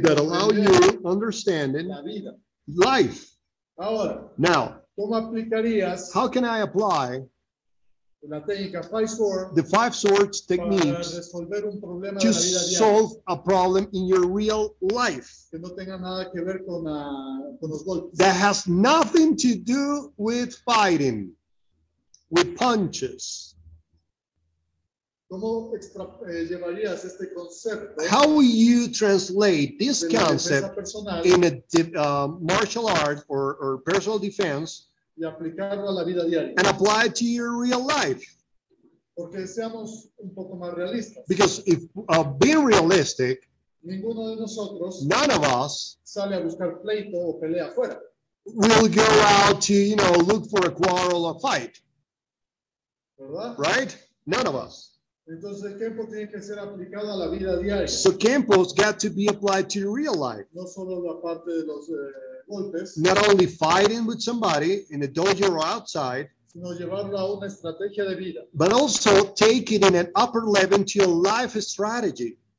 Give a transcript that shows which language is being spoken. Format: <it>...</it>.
<en>that allow you understanding</en> <es>la vida.</es> <en>Life.</en> <es>Ahora,</es> <en>now,</en> <es>¿cómo aplicarías?</es> <en>How can I apply</en> <es>la técnica five sword,</es> <en>the five swords techniques to solve a problem in your real life</en> <es>que no tenga nada que ver con los golpes.</es> <en>That has nothing to do with fighting, with punches.</en> <es>¿Cómo llevarías este concepto?</es> <en>How will you translate this concept in a martial art or personal defense?</en> <es>Y aplicarlo a la vida diaria.</es> <en>And apply it to your real life.</en> <es>Porque seamos un poco más realistas.</es> <en>Because if being realistic,</en> <es>ninguno de nosotros,</es> <en>none of us,</en> <es>sale a buscar pleito o pelea afuera.</es> <en>Will go out to, you know, look for a quarrel or fight.</en> <es>¿Verdad?</es> <en>Right? None of us.</en> <es>Entonces el Kempo tiene que ser aplicado a la vida diaria.</es> <en>So Kempo's got to be applied to your real life.</en> <es>No solo la parte de los</es> <en>not only fighting with somebody in a dojo or outside,</en> <es>sino llevarlo a una estrategia de vida.</es> <en>But also take it in an upper level to your life strategy.</en>